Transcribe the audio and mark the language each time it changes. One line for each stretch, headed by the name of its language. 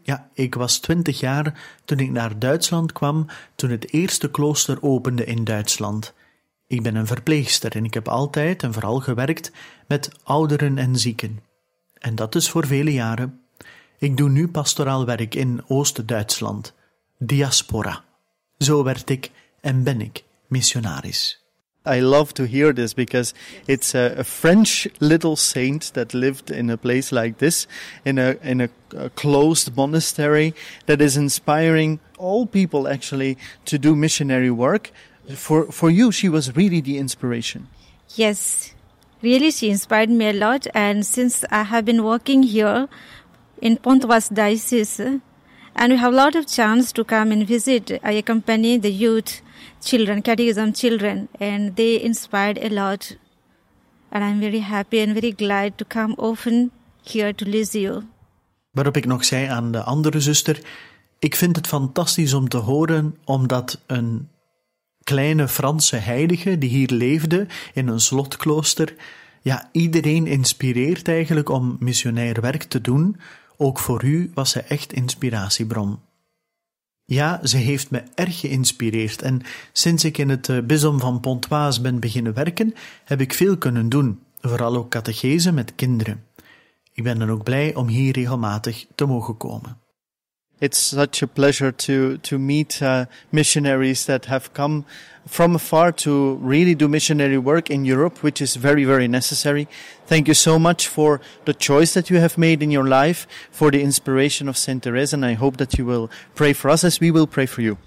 Dutch: Ja, ik was 20 jaar toen ik naar Duitsland kwam, toen het eerste klooster opende in Duitsland. Ik ben een verpleegster en ik heb altijd en vooral gewerkt met ouderen en zieken. En dat is voor vele jaren. Ik doe nu pastoraal werk in Oost-Duitsland. Diaspora. Zo werd ik en ben ik. Missionaris.
English: I love to hear this because it's a French little saint that lived in a place like this, in a closed monastery, that is inspiring all people actually to do missionary work. For you, she was really the inspiration. Yes, really she inspired me a lot. And since I have been working here in Pontoise Diocese, And we have a lot of chance to come and visit. I accompany the youth children, catechism children, and they inspired a lot. And I'm very happy and very glad to come often here to Lisieux.
Dutch: Waarop ik nog zei aan de andere zuster, ik vind het fantastisch om te horen, omdat een kleine Franse heilige die hier leefde in een slotklooster, ja, iedereen inspireert eigenlijk om missionair werk te doen. Ook voor u was ze echt inspiratiebron. Ja, ze heeft me erg geïnspireerd en sinds ik in het bisdom van Pontoise ben beginnen werken, heb ik veel kunnen doen, vooral ook catechese met kinderen. Ik ben dan ook blij om hier regelmatig te mogen komen.
English: It's such a pleasure to meet missionaries that have come from afar to really do missionary work in Europe, which is very, very necessary. Thank you so much for the choice that you have made in your life, for the inspiration of Saint Therese, and I hope that you will pray for us as we will pray for you.